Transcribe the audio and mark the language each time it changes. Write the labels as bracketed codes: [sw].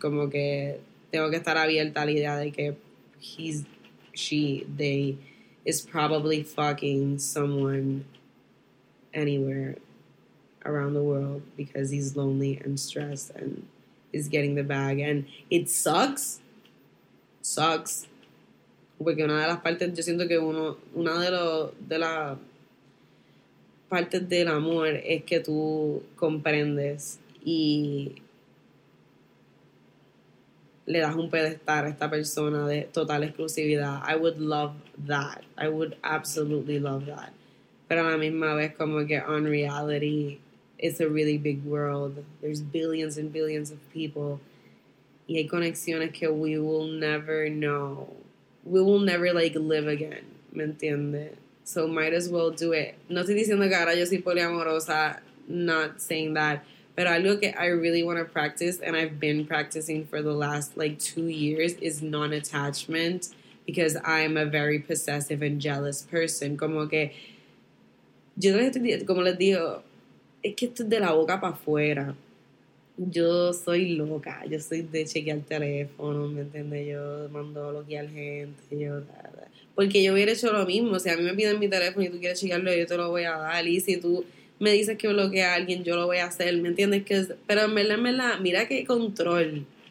[es] Como que tengo que estar abierta a la idea de que [en] he's, she, they is probably fucking someone anywhere around the world because he's lonely and stressed and is getting the bag. And it sucks. Sucks. [es] Porque una de las partes, yo siento que una de las partes del amor es que tú comprendes y le das un pedestal a esta persona de total exclusividad. [en] I would love that. I would absolutely love that. [es] Pero a la misma vez, como que [en] on reality, it's a really big world. There's billions and billions of people. [es] Y hay conexiones que [en] we will never know. We will never, like, live again. [es] ¿Me entiende? [en] So might as well do it. [es] No estoy diciendo que ahora yo soy poliamorosa. [en] Not saying that. But [es] algo que [en] I really want to practice, and I've been practicing for the last, like, 2 years, is non-attachment, because I'm a very possessive and jealous person. [es] Como que, yo les estoy, como les digo, es que esto es de la boca para afuera. Yo soy loca, yo soy de chequear el teléfono, ¿me entiendes? Yo mando lo que al gente, yo nada. Porque yo hubiera hecho lo mismo. Si a mí me piden mi teléfono y tú quieres chequearlo, yo te lo voy a dar. Y si tú me dices que bloquea a alguien, yo lo voy a hacer, ¿me entiendes? Pero en verdad, mira qué control